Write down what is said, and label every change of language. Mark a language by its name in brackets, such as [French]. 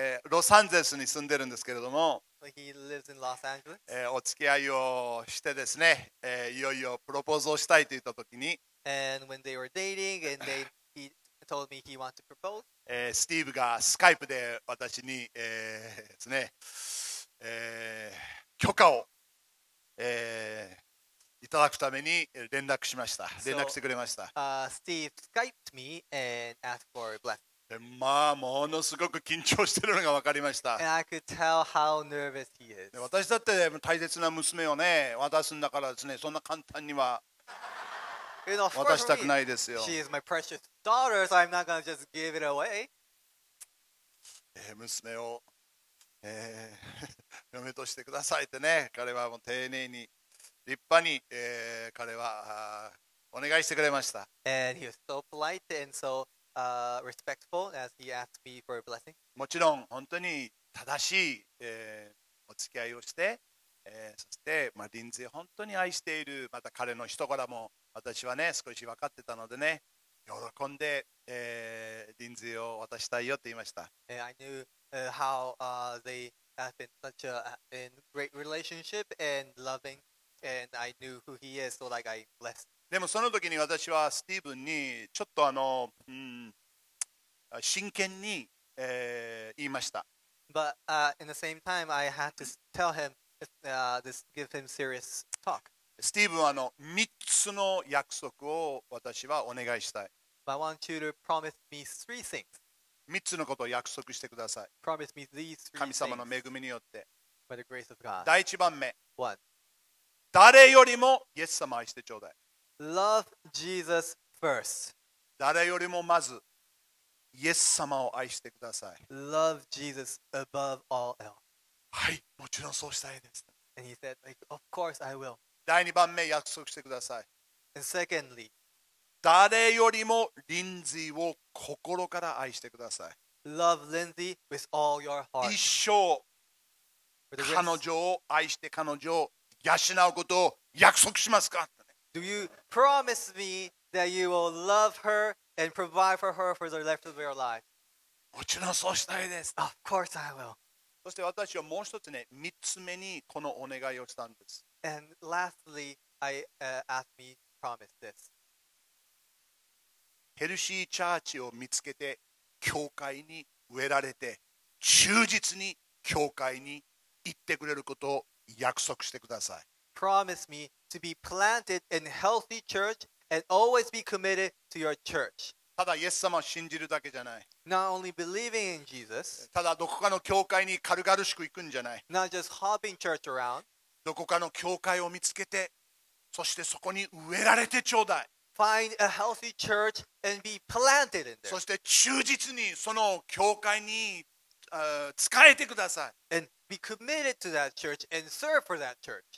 [Japanese] ロサンゼルスに住んでるんですけれども、 [English] He lives in Los Angeles. [Japanese] お付き合いをしてですね、いよいよプロポーズをしたいと言ったときに、 [English] And when they were dating, and they he told me he wanted to propose. [Japanese] スティーブがスカイプで私に、ですね、許可を、いただくために連絡しました。連絡してくれました。 [English] So, Steve Skyped me and asked for a blessing. [Japanese] でまあ、ものすごく緊張してるのが分かりました。 [English] And I could tell how nervous he is. [Japanese] 私だって大切な娘をね、渡すんだからですね、そんな簡単には渡したくないですよ。 [English] She is my precious daughter, so I'm not gonna just give it away. [Japanese] 娘を、嫁としてくださいってね、彼はもう丁寧に、立派に、彼はお願いしてくれました。 [English] And he was so polite and soRespectful as he asked me for a blessing. [Japanese] もちろん本当に正しい、お付き合いをして、そして、まあ、リンズイ本当に愛しているまた彼の人柄も私はね少し分かってたのでね喜んで、リンズイを渡したいよって言いました。 [English] I knew how they have been such a in great relationship and loving, and I knew who he is, so like I blessed. [Japanese] でもその時に私はスティーブンにちょっとあの、うん、真剣に、言いました。 [English] But in the same time, I had to tell him, this give him serious talk. [Japanese] スティーブンはあの3つの約束を私はお願いしたい。 [English] But I want you to promise me three things. [Japanese] 3つのことを約束してください。 [English] Promise me these three things. [Japanese] 神様の恵みによって。 [English] By the grace of God. [Japanese] 第一番目。 [English] One. [Japanese] 誰よりもイエス様愛してちょうだい。 [English] Love Jesus first. [Japanese] 誰よりもまずイエス様を愛してください。 [English] Love Jesus above all else. [Japanese] はい、もちろんそうしたいです。 [English] And he said, like, of course I will. [Japanese] 第二番目約束してください。 [English] And secondly, [Japanese] 誰よりもリンズイを心から愛してください。 [English] Love Lindsay with all your heart. [Japanese] 一生彼女を愛して彼女を養うことを約束しますか？ [English] Do you promise me that you will love her and provide for her for the rest of your life? [Japanese] もちろんそうしたいです。 [English] Of course I will. [Japanese] そして私はもう一つね、三つ目にこのお願いをしたんです。 [English] And lastly, I ask me promise this. [Japanese] ヘルシーチャーチを見つけて、教会に植えられて、忠実に教会に行ってくれることを約束してください。 [English] Promise me to be planted in healthy church and always be committed to your church. [Japanese] ただイエス様を信じるだけじゃない。 [English] Not only believing in Jesus. [Japanese] ただどこかの教会に軽々しく行くんじゃない。 [English] Not just hopping church around. [Japanese] どこかの教会を見つけて、そしてそこに植えられてちょうだい。 [English] Find a healthy church and be planted in there. [Japanese] そして忠実にその教会に、使えてください。 [English] And be committed to that church and serve for that church.